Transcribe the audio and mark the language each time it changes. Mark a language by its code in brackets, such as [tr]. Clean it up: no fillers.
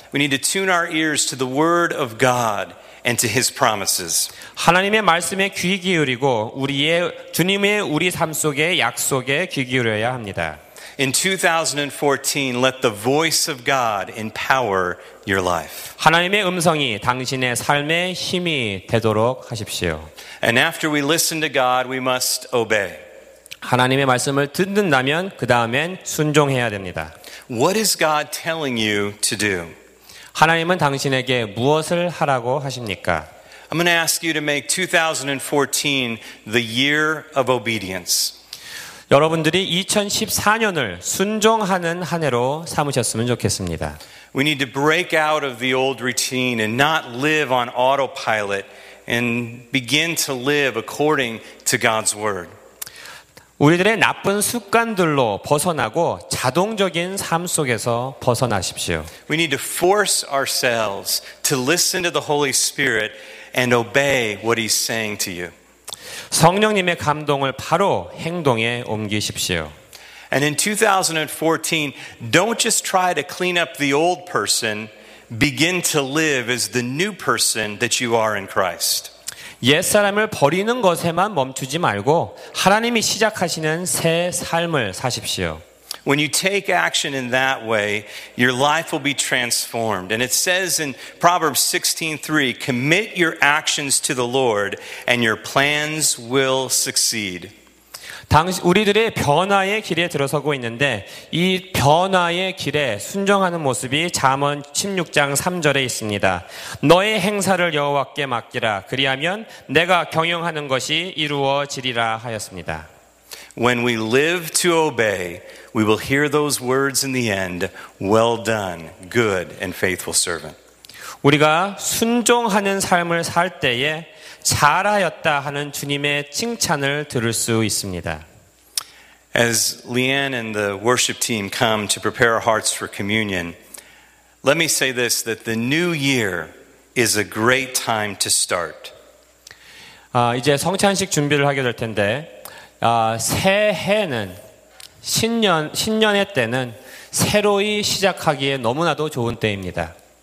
[en] We need to tune our ears to the word of God and to his promises. [ko] 하나님의 말씀에 귀 기울이고 주님의 우리 삶 속에 약속에 귀 기울여야 합니다. [en] In 2014, let the voice of God empower your life. [ko] 하나님의 음성이 당신의 삶의 힘이 되도록 하십시오. [en] And after we listen to God, we must obey. [ko] 하나님의 말씀을 듣는다면 그 다음엔 순종해야 됩니다. [en] What is God telling you to do? [ko] 하나님은 당신에게 무엇을 하라고 하십니까? [en] I'm going to ask you to make 2014 the year of obedience. [ko] 여러분들이 2014년을 순종하는 한 해로 삼으셨으면 좋겠습니다. [en] We need to break out of the old routine and not live on autopilot and begin to live according to God's word. [ko] 우리들의 나쁜 습관들로 벗어나고 자동적인 삶 속에서 벗어나십시오. [en] We need to force ourselves to listen to the Holy Spirit and obey what he's saying to you. [ko] 성령님의 감동을 바로 행동에 옮기십시오. [en] And in 2014, don't just try to clean up the old person, begin to live as the new person that you are in Christ. [ko] 옛사람을 버리는 것에만 멈추지 말고 하나님이 시작하시는 새 삶을 사십시오. [en] When you take action in that way, your life will be transformed. And it says in Proverbs 16:3, commit your actions to the Lord and your plans will succeed. [ko] 당시 우리들의 변화의 길에 들어서고 있는데 이 변화의 길에 순종하는 모습이 잠언 16장 3절에 있습니다. 너의 행사를 여호와께 맡기라 그리하면 내가 경영하는 것이 이루어지리라 하였습니다. [en] When we live to obey, we will hear those words in the end, well done, good and faithful servant. [ko] 우리가 순종하는 삶을 살 때에 잘하였다 하는 주님의 칭찬을 들을 수 있습니다. [en] As Leanne and the worship team come to prepare our hearts for communion, let me say this, that the new year is a great time to start. [ko] 이제 성찬식 준비를 하게 될 텐데, 새해는 신년의 때는 새로이 시작하기에 너무나도 좋은 때입니다.